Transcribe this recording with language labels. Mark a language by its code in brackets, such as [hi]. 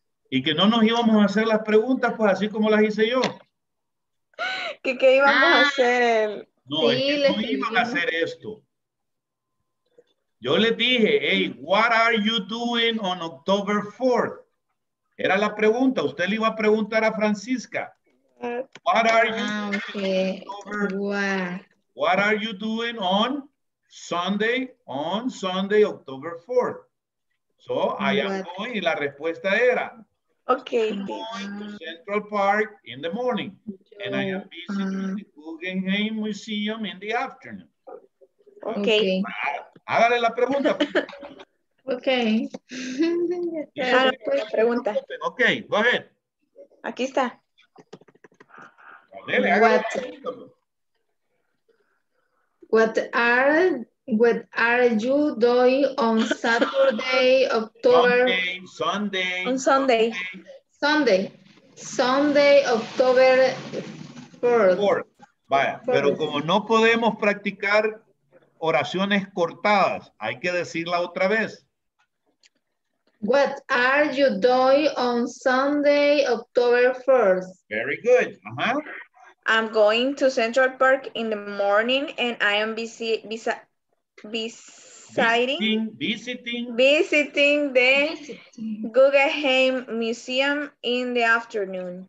[es] Y que no nos íbamos a hacer las preguntas, pues así como las hice yo. ¿Qué íbamos a hacer? No, sí, es que no iban a hacer esto. Yo les dije, [en] hey, what are you doing on October 4th? [es] Era la pregunta. Usted le iba a preguntar a Francisca. [en] What are you doing on Sunday? On Sunday, October 4th. So, I am going. [es] Y la respuesta era, [en] okay. I'm going to Central Park in the morning. And I am visiting the Guggenheim Museum in the afternoon. Okay. [es] Hágale la pregunta. Ok. Pregunta. [en] Ok, go ahead. [es] Aquí está. Dale, [en] What are you doing on Saturday, October? Sunday, October 4th. [es] Vaya, pero como no podemos practicar oraciones cortadas, hay que decirla otra vez. [en] What are you doing on Sunday, October 4th? Very good. Uh-huh. I'm going to Central Park in the morning and I am visiting Guggenheim Museum in the afternoon.